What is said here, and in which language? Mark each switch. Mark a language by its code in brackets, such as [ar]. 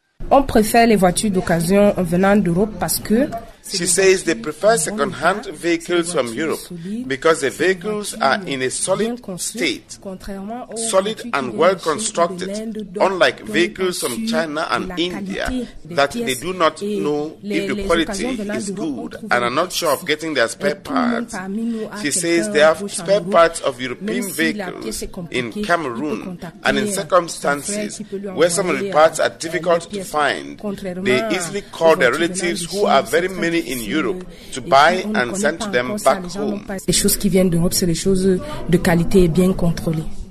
[fr] On préfère les voitures d'occasion venant d'Europe parce que... [en] She says they prefer second-hand vehicles from Europe because the vehicles are in a solid state, solid and well-constructed, unlike vehicles from China and India that they do not know if the quality is good and are not sure of getting their spare parts. She says they have spare parts of European vehicles in Cameroon, and in circumstances where some of the parts are difficult to find, they easily call their relatives who are very many in Europe to buy and send them back home. [fr] Les choses qui viennent d'Europe, c'est les choses de qualité et bien contrôlées.